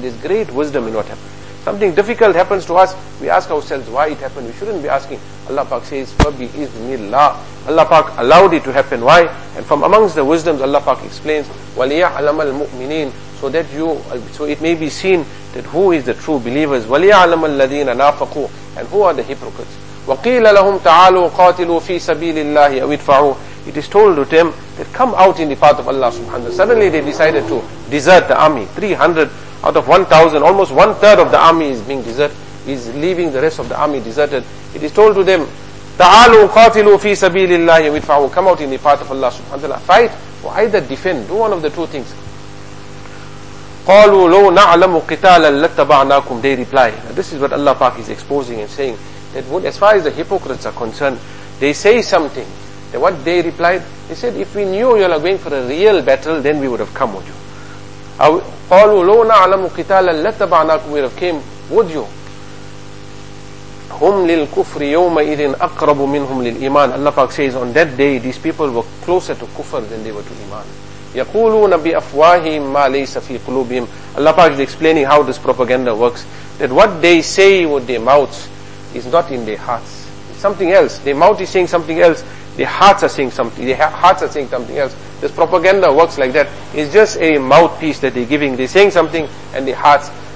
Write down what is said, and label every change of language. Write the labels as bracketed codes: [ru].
[en] There's great wisdom in what happened. Something difficult happens to us, we ask ourselves why it happened. We shouldn't be asking. Allah Pak says, [ar] فَبِإِذْنِ اللَّهِ. [en] Allah Pak allowed it to happen. Why? And from amongst the wisdoms, Allah Pak explains, [ar] وَلِيَعْلَمَ الْمُؤْمِنِينَ. [en] So it may be seen that who is the true believers. [ar] وَلِيَعْلَمَ الَّذِينَ نَافَقُوا. [en] And who are the hypocrites? [ar] وقيل لهم تعالوا قاتلوا في سبيل الله أو ادفعوا. [en] It is told to them that come out in the path of Allah subhanahu wa ta'ala. Suddenly they decided to desert the army. 300 out of 1,000, almost one third of the army is being deserted, is leaving the rest of the army deserted. It is told to them, [ar] تعالوا قاتلوا في سبيل الله ودفعوا. [en] Come out in the path of Allah subhanahu wa ta'ala. Fight or either defend. Do one of the two things. [ar] قالوا لو نعلم قتالا لتبعناكم. [en] They reply. Now this is what Allah Pak is exposing and saying. That as far as the hypocrites are concerned, they say something. What they replied, they said, if we knew you are going for a real battle, then we would have come with you. [ar] قالوا لو نعلم قتالا لتبعناكم. [en] We would have came with you. [ar] هم للكفر يومئذ أقرب منهم للإيمان. [en] Allah Pak says, on that day, these people were closer to kufr than they were to iman. [ar] يقولون بأفواههم ما ليس في قلوبهم. [en] Allah Pak is explaining how this propaganda works. That what they say with their mouths is not in their hearts. It's something else. Their mouth is saying something else. Their hearts are saying something. This propaganda works like that. It's just a mouthpiece that they're giving. They're saying something and their hearts.